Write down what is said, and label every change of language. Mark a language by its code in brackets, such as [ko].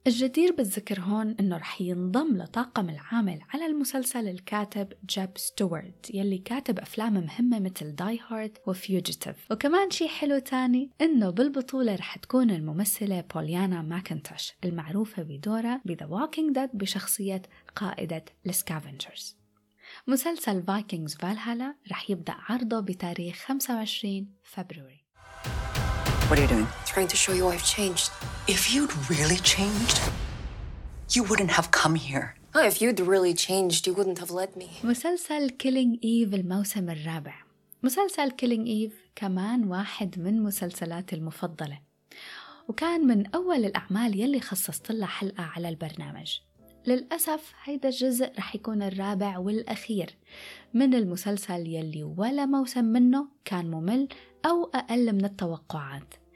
[ar] الجدير بالذكر هون إنه رح ينضم لطاقم العامل على المسلسل الكاتب جيب ستوارت يلي كاتب أفلام مهمة مثل داي هارد وفيوجيتيف، وكمان شي حلو تاني إنه بالبطولة رح تكون الممثلة بوليانا ماكنتاش المعروفة بدورها بThe Walking Dead بشخصية قائدة السكافنجرز. مسلسل فايكنجز فالهالا رح يبدأ عرضه بتاريخ 25 فبراير. [en] What are you doing? Trying to show you I've changed. If you'd really changed, you wouldn't have come here. Oh, if you'd really changed, you wouldn't have let me. [ar] مسلسل Killing Eve الموسم الرابع. مسلسل Killing Eve كمان واحد من مسلسلاتي المفضلة، وكان من أول الأعمال يلي خصصت لها حلقة على البرنامج. للأسف هيدا الجزء رح يكون الرابع والأخير من المسلسل يلي ولا موسم منه كان ممل أو أقل من التوقعات.